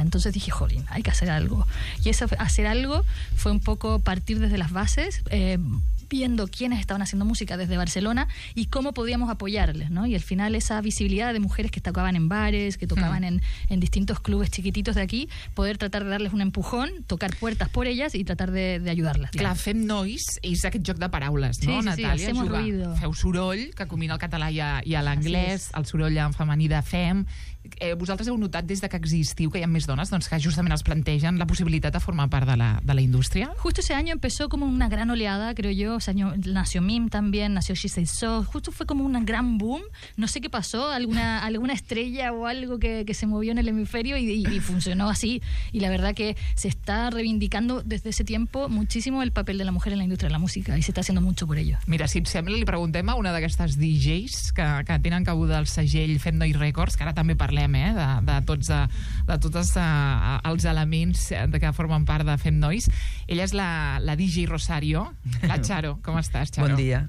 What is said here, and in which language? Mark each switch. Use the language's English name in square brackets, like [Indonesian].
[Spanish] Entonces dije, jolín, hay que hacer algo. Y ese hacer algo fue un poco partir desde las bases, viendo quiénes estaban haciendo música desde Barcelona y cómo podíamos apoyarles, ¿no? Y al final esa visibilidad de mujeres que tocaban en bares, que tocaban en distintos clubes chiquititos de aquí, poder tratar de darles un empujón, tocar puertas por ellas y tratar de ayudarlas. [Catalan] Clar, fem nois és aquest joc de paraules, sí, no, sí, Natalia? [Spanish] Sí, hacemos ruido. [Catalan] Feu soroll, que combina el català i l'anglès, el soroll en femení de fem. Vosaltres heu notat des de que existiu que hi ha més dones doncs, que justament els plantegen la possibilitat de formar part de la indústria? [Spanish] Justo ese año empezó como una gran oleada, creo yo. Ese año nació Mim también, nació She Said So. Justo fue como un gran boom. No sé qué pasó, alguna estrella o algo que se movió en el hemisferio y funcionó así. Y la verdad que se está reivindicando desde ese tiempo muchísimo el papel de la mujer en la industria de la música y se está haciendo mucho por ello. [Catalan] Mira, si et sembla, li preguntem a una d'aquestes DJs que tenen cabuda al segell Fem Nois Records, que ara també parlem de tots els elements que formen part de Fem Nois. Ella és la DJ Rosario. La Charo, com estàs, Charo? Bon dia,